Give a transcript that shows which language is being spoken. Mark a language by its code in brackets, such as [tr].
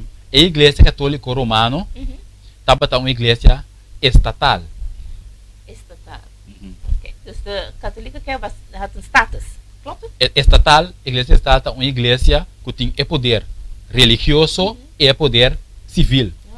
[pap] E Iglesia Católica Romano, tabata un Iglesia estatal. Estatal. Okay. [nl] Dus de katholieke kerk had een status, klopt het? [pap] Estatal, Iglesia Estatal, un Iglesia que tiene poder religioso e poder civil.